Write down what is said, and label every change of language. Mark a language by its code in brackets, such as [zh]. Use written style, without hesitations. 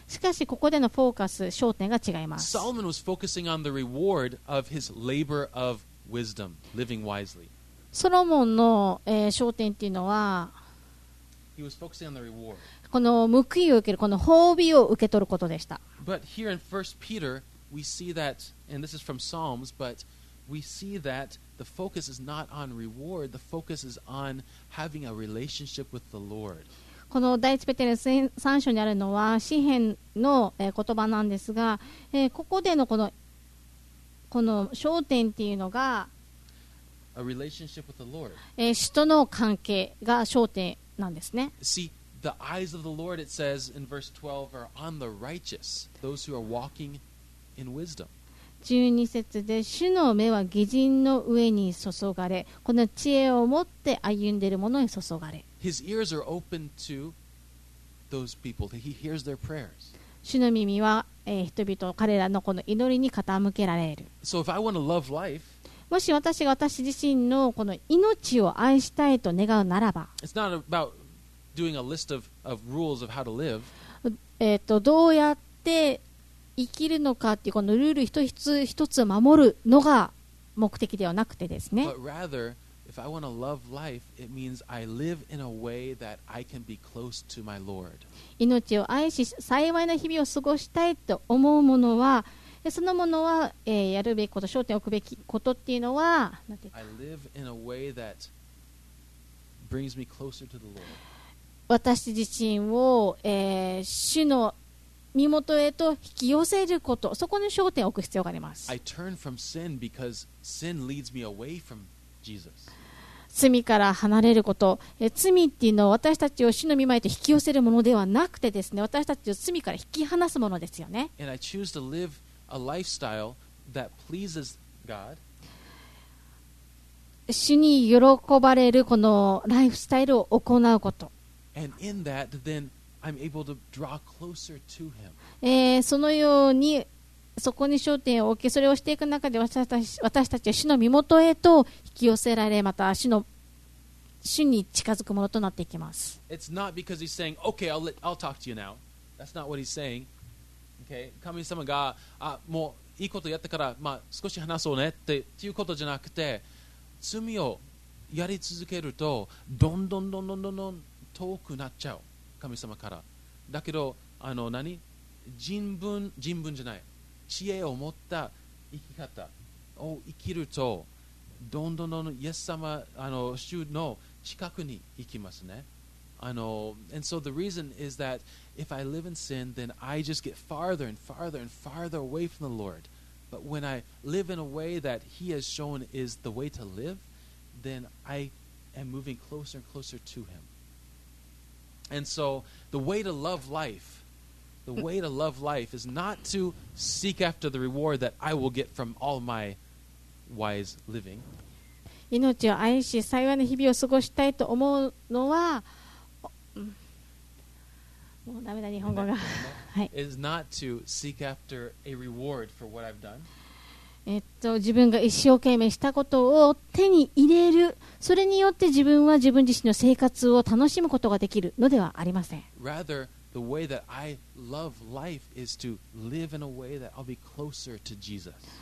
[ja] しかしここでのフォーカス、焦点が違います。 [en] Solomon was focusing on the reward of his labor of wisdom, living wisely. [ja] ソロモンの、焦点というのは、 [en] He was focusing on the reward. [ja] この報いを受ける、この褒美を受け取ることでした。 [en] But here in 1 Peter, we see that, and this is from Psalms, but we see that. The focus is not on reward. The focus is on having a relationship with the Lord. [ja] この第一ペテロ三章にあるのは詩篇の言葉なんですが、ここでのこの焦点っていうのが、 [en] a relationship with the Lord. [ja] 主との関係が焦点なんですね。 [en] See, the eyes of the Lord, it says in verse 12, are on the righteous, those who are walking in wisdom. [ja] 12節で主の目は義人の上に注がれ、この知恵を持って歩んでいる者に注がれ。 [en] His ears are open to those people. He hears their prayers. [ja] 主の耳は、人々、彼らのこの祈りに傾けられる。 [en] So if I want to love life, [ja] もし私が私自身のこの命を愛したいと願うならば、 [en] It's not about doing a list of rules of how to live. [ja] どうやって生きるのかっていうこのルール一つ一つ守るのが目的ではなくてですね。 [en] But rather, if I want to love life, it means I live in a way that I can be close to my Lord. [ja] 命を愛し幸いな日々を過ごしたいと思うものは、そのものは、やるべきこと、焦点を置くべきことっていうのは、なんていう [en] か。I live in a way that brings me closer to the Lord. [ja] 私自身を、主の身元へと引き寄せること、そこに焦点を置く必要があります。 [en] I turn from sin because sin leads me away from Jesus. [ja] 罪から離れること、罪っていうのは私たちを死の御前へと引き寄せるものではなくてですね、私たちを罪から引き離すものですよね。 [en] And I choose to live a lifestyle that pleases God. [ja] 主に喜ばれるこのライフスタイルを行うこと。 [en] And in that thenI'm able to draw closer to him. [ja] そのようにそこに焦点を置き、それをしていく中で私たちは主の身元へと引き寄せられ、また主に近づくものとなっていきます。 [en] It's not because he's saying, okay, I'll talk to you now. That's not what he's saying. [ja] Okay, 神様が、もういいことやったから、まあ、少し話そうねっていうことじゃなくて、罪をやり続けるとどんどんどんどんどんどん遠くなっちゃう。神様からだけど、あの、何、人文じゃない、知恵を持った生き方を生きると、どんどんどんイエス様、あの、主の近くに行きますね。 [en] あの、 and so the reason is that if I live in sin, then I just get farther and farther and farther away from the Lord. But when I live in a way that he has shown is the way to live, then I am moving closer and closer to him. And so, the way to love life The way to love life is not to seek after the reward that I will get from all my wise living. [ja] 命を愛し、幸いな日々を過ごしたいと思うのは、もうダメだ日本語が。 [en] It is not to seek after a reward for what I've done. [ja] 自分が一生懸命したことを手に入れる、それによって自分は自分自身の生活を楽しむことができるのではありません。 [en] Rather,The way that I love life is to live in a way that I'll be closer to Jesus.